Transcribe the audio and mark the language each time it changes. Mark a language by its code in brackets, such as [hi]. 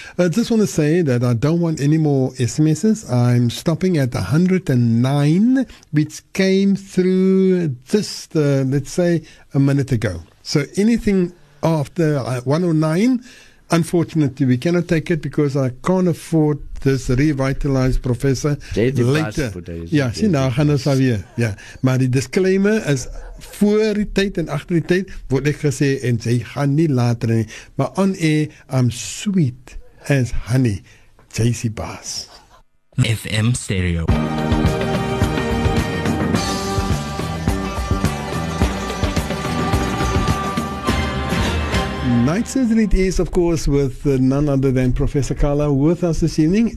[en] I just want to say that I don't want any more SMSs. I'm stopping at 109, which came through just, let's say, a minute ago. So anything after 109, unfortunately, we cannot take it because I can't afford this revitalized professor later. [af] Ja, sien nou gaan ons al weer. Ja, maar die disclaimer is voor die tyd en agter die tyd word ek gesê en sy gaan nie later nie. [en] Maar on air, I'm sweet as honey. JC Bas. FM Stereo. Night Surgery it is, of course, with none other than Professor Carla with us this evening.